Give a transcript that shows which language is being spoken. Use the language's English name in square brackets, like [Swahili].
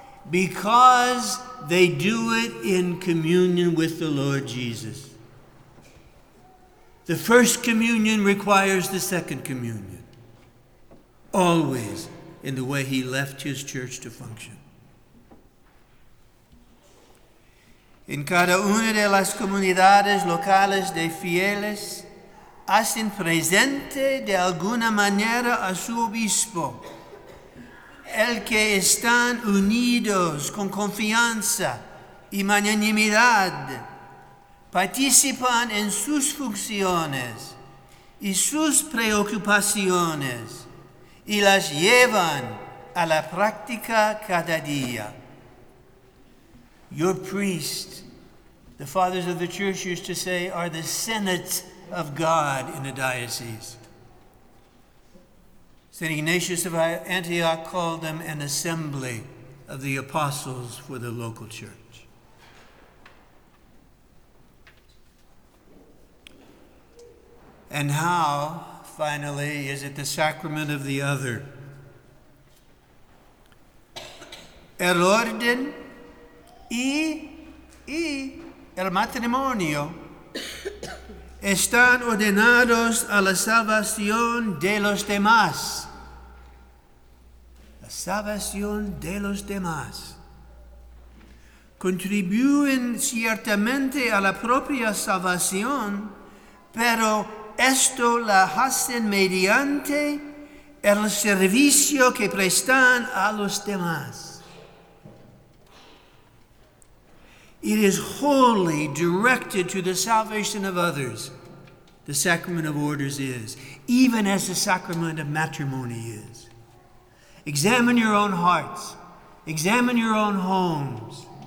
[English] Because they do it in communion with the Lord Jesus. The first communion requires the second communion. Always in the way he left his church to function. [Spanish] En cada una de las comunidades locales de fieles hacen presente de alguna manera a su obispo, el que están unidos con confianza y magnanimidad, participan en sus funciones y sus preocupaciones, y las llevan a la práctica cada día. [English] Your priest, the fathers of the church used to say, are the senate of God in the diocese. St. Ignatius of Antioch called them an assembly of the apostles for the local church. And how, finally, is it the sacrament of the other? [Spanish] El orden y el matrimonio están ordenados a la salvación de los demás. La salvación de los demás. Contribuyen ciertamente a la propia salvación, pero esto la hacen mediante el servicio que prestan a los demás. [English] It is wholly directed to the salvation of others, the sacrament of orders is, even as the sacrament of matrimony is. Examine your own hearts. Examine your own homes.